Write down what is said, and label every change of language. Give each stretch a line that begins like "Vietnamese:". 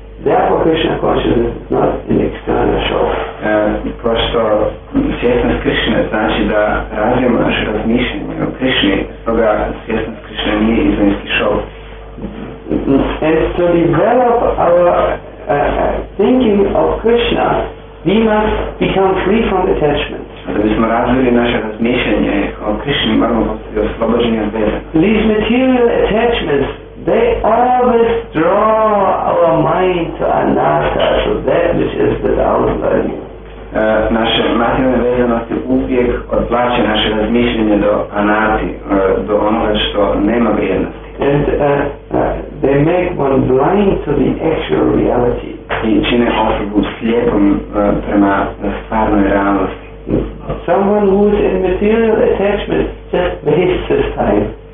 English: Therefore Krishna consciousness is not an external show.
Croatian: Pošto svjesnost Krishna znači da razvijemo naše razmišljenje o Krishni, stoga svjesnost Krishna nije izvanjski show.
English: And to develop our thinking of Krishna, we must become free from attachment. These material attachments, they always draw our mind to anatta, to that which is without value.
Croatian: Naše materijalne vezanosti uvijek odvlače naše razmišljanje do anati, do onoga što nema vrijednosti.
English: And they make one blind to the actual reality.
Croatian: I čine osobu slijepom prema stvarnoj realnosti.
English: Someone who is in material attachment just wastes his time.